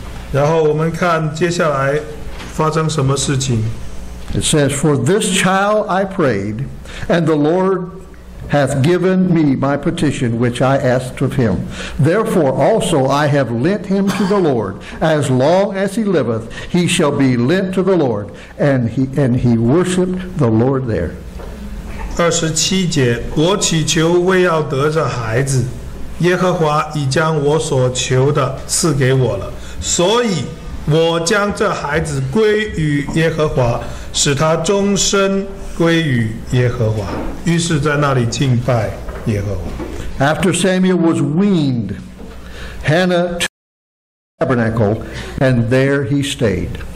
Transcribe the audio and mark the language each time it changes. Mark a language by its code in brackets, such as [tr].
[zh] 然后我们看接下来发生什么事情。 [en] It says, For this child I prayed, and the Lord hath given me my petition, which I asked of him. Therefore also I have lent him to the Lord. As long as he liveth, he shall be lent to the Lord. And he worshipped the Lord there. [zh] 27节，我祈求为要得着孩子，耶和华已将我所求的赐给我了。所以我将这孩子归于耶和华，使他终身归于耶和华，于是在那里敬拜耶和华。 [en] After Samuel was weaned, Hannah took the tabernacle, and there he stayed.